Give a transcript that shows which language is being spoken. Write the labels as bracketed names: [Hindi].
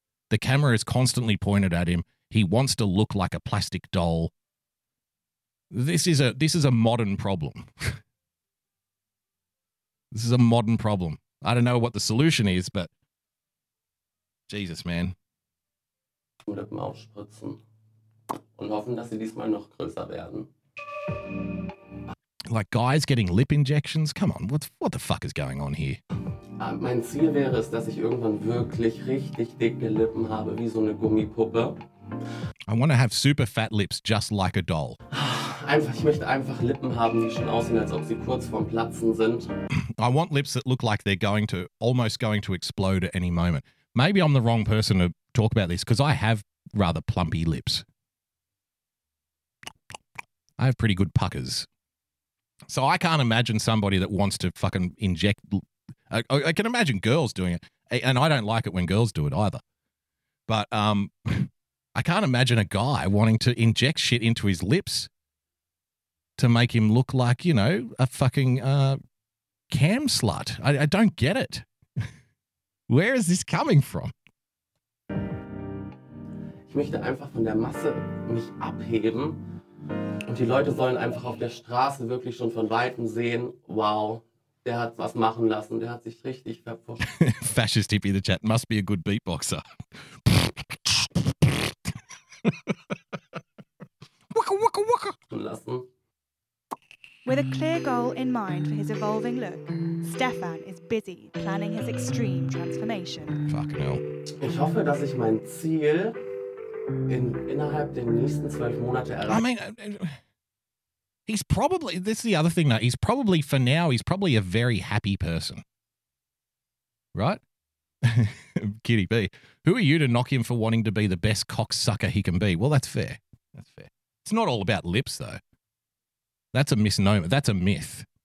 [English] The camera is constantly pointed at him. He wants to look like a plastic doll. This is a modern problem. This is a modern problem. I don't know what the solution is, but Jesus, man. [German] Lippen aufspritzen und hoffen, dass sie diesmal noch größer werden. [English] Like guys getting lip injections? Come on, what the fuck is going on here? [German] Mein Ziel wäre es, dass ich irgendwann wirklich richtig dicke Lippen habe, wie so eine Gummipuppe. [English] I want to have super fat lips just like a doll. [German] Einfach, ich möchte einfach Lippen haben, die schon aussehen, als ob sie kurz vorm Platzen sind. [English] I want lips that look like they're almost going to explode at any moment. Maybe I'm the wrong person to talk about this because I have rather plumpy lips. I have pretty good puckers. So I can't imagine somebody that wants to fucking inject. I can imagine girls doing it, and I don't like it when girls do it either. But I can't imagine a guy wanting to inject shit into his lips to make him look like, you know, a fucking cam slut. I don't get it. Where is this coming from? [German] Ich möchte einfach von der Masse mich abheben und die Leute sollen einfach auf der Straße wirklich schon von weitem sehen, wow, der hat was machen lassen, der hat sich richtig verpfuscht. [English] Fascist Hippie in the chat, must be a good beatboxer. Wucka wucka wucka. [German] Lassen. [English] With a clear goal in mind for his evolving look, Stefan is busy planning his extreme transformation. Fucking hell. [German] Ich hoffe, dass ich mein Ziel innerhalb der nächsten 12 Monate erreiche. [English] I mean, he's probably, this is the other thing though, he's probably, for now, he's probably a very happy person. Right? Kitty B. Who are you to knock him for wanting to be the best cocksucker he can be? Well, that's fair. That's fair. It's not all about lips though. That's a misnomer. That's a myth.